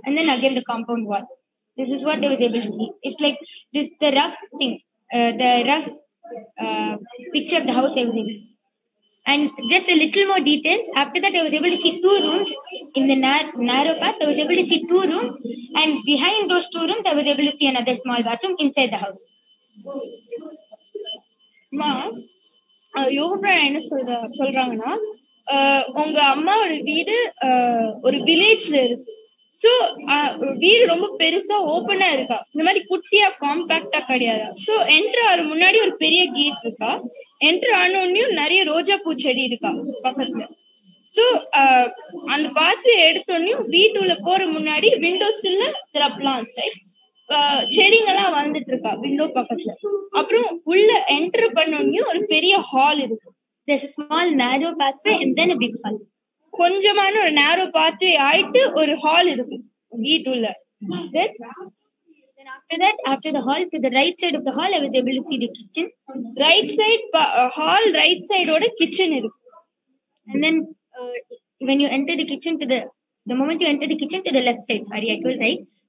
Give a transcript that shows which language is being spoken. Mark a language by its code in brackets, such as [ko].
[en] And then again, the compound wall. This is what I was able to see. It's like this, the rough thing, the rough picture of the house I was able to see. And just a little more details. After that, I was able to see two rooms in the narrow path. I was able to see two rooms. And behind those two rooms, I was able to see another small bathroom inside the house. Mom. [ta] யோகப் என்ன சொல்ற சொல்றாங்கன்னா உங்க அம்மாவோட வீடு ஒரு வில்லேஜ்ல இருக்கு. So வீடு ரொம்ப பெருசா ஓப்பனா இருக்கா, இந்த மாதிரி குட்டியா காம்பாக்டா கிடையாது. ஸோ என்ட்ரு ஆகிற முன்னாடி ஒரு பெரிய கேட் இருக்கா, என்ட்ரு ஆன உடனே நிறைய ரோஜா பூச்செடி இருக்கா பக்கத்துல. ஸோ அந்த பாத்ரூம் எடுத்தோடனையும் வீட்டுக்குள்ள போற முன்னாடி விண்டோஸ்ல பிளான்ஸ் ரைட் செடிங்கெல்லாம் வந்துட்டு இருக்கா விண்டோ பக்கத்துல. அப்புறம் உள்ள என்டர் பண்ணோடனே ஒரு பெரிய ஹால் இருக்கு. [en] There's a small narrow pathway and then a big hall. [ta] கொஞ்சமான ஒரு நேரோ பாத்வே ஆயிட்டு ஒரு ஹால் இருக்கு வீட்டுள்ள. [en] Then after that, after the hall, to the right side of the hall, I was able to see the kitchen. Right side, hall right side ஓட kitchen இருக்கு. And then when you enter the kitchen to the moment you enter the kitchen to the left side, sorry, I told right.